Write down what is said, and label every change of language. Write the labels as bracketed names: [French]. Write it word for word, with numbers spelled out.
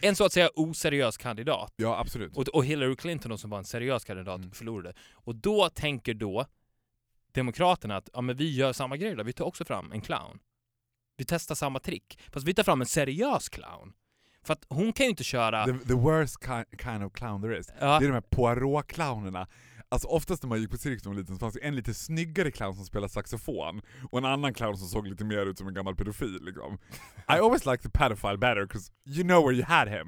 [Swedish] en så att säga oseriös kandidat. Ja, absolut. Och, och Hillary Clinton som var en seriös kandidat mm. förlorade. Och då tänker då demokraterna att ja, men vi gör samma grej där. Vi tar också fram en clown. Vi testar samma trick. Fast vi tar fram en seriös clown. För att hon kan ju inte köra... [English] The, the worst kind of clown there is. [Swedish] Ja. Det är de här Poirot-clownerna. Alltså oftast när man gick på cirkus som liten så fanns det en lite snyggare clown som spelade saxofon och en annan clown som såg lite mer ut som en gammal pedofil liksom. [English] I always liked the pedophile better because you know where you had him.